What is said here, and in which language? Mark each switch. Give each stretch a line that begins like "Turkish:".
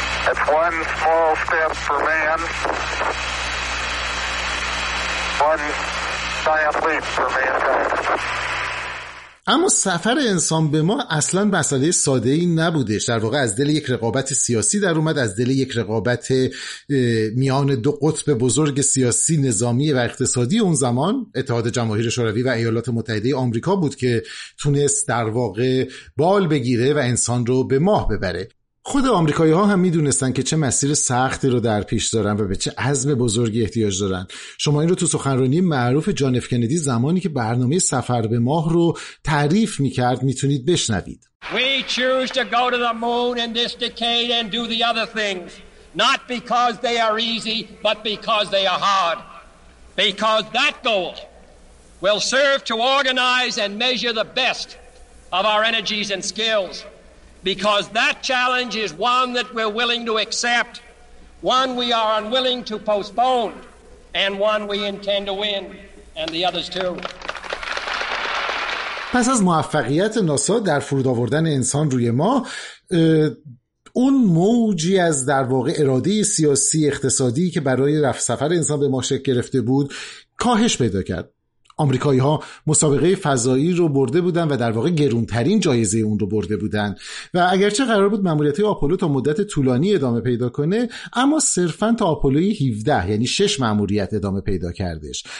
English: It's one small step for man, one giant leap for mankind.
Persian: اما سفر انسان به ما اصلا مسئله ساده‌ای نبودش. در واقع از دل یک رقابت سیاسی در اومد، از دل یک رقابت میان دو قطب بزرگ سیاسی، نظامی و اقتصادی اون زمان، اتحاد جماهیر شوروی و ایالات متحده آمریکا بود که تونست در واقع بال بگیره و انسان رو به ماه ببره. خود آمریکایی‌ها هم می‌دونستن که چه مسیر سختی رو در پیش دارن و به چه عزم بزرگی احتیاج دارن. شما این رو تو سخنرانی معروف جان اف کندی زمانی که برنامه سفر به ماه رو تعریف می‌کرد می‌تونید بشنوید.
English: We choose to go to the moon in this decade and do the other things, not because they are easy, but because they are hard. Because that goal will serve to organize and measure the best of our energies and skills. Because that challenge is one that we're willing to accept, one we are unwilling to postpone, and one we intend to win, and the others too.
Persian: پس از موفقیت ناسا در فرود آوردن انسان روی ماه، اون موجی از در واقع اراده سیاسی اقتصادی که برای رفت سفر انسان به ماه شکل گرفته بود کاهش پیدا کرد. آمریکایی‌ها مسابقه فضایی رو برده بودن و در واقع گرونترین جایزه اون رو برده بودن و اگرچه قرار بود ماموریت‌های آپولو تا مدت طولانی ادامه پیدا کنه، اما صرفاً تا آپولوی 17، یعنی 6 ماموریت ادامه پیدا کردش.